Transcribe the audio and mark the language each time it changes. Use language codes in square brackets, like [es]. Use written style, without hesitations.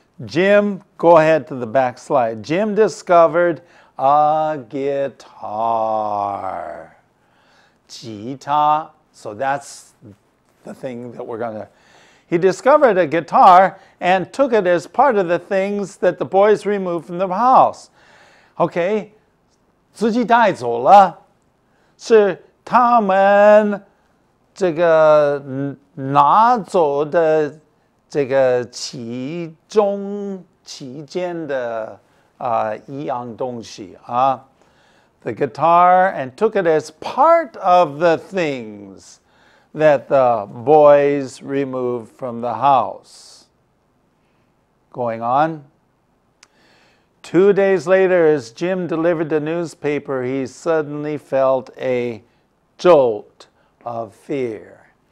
[en] Jim, go ahead to the back slide. Jim discovered a guitar. Guitar. So that's the thing that we're going to... He discovered a guitar and took it as part of the things that the boys removed from the house. [zh] Okay, 自己带走了,是他们这个拿走的这个其中期间的一样东西啊。 [en] The guitar and took it as part of the things that the boys removed from the house. Going on. 2 days later, as Jim delivered the newspaper, he suddenly felt a jolt of fear.